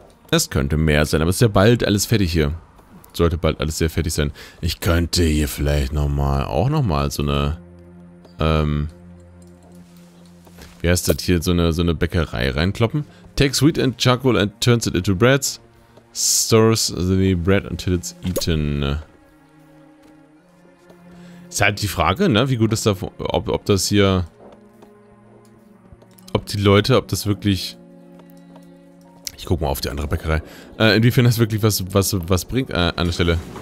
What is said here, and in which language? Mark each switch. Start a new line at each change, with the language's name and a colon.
German: Es könnte mehr sein, aber es ist ja bald alles fertig hier. Sollte bald alles sehr fertig sein. Ich könnte hier vielleicht nochmal, auch nochmal so eine, wie heißt das hier, so eine Bäckerei reinkloppen.
English: Takes wheat and charcoal and turns it into bread. Stores the bread until it's eaten.
German: Ist halt die Frage, ne, wie gut das da, ob das hier, ob die Leute, ob das wirklich, ich guck mal auf die andere Bäckerei, inwiefern das wirklich was bringt, an der Stelle.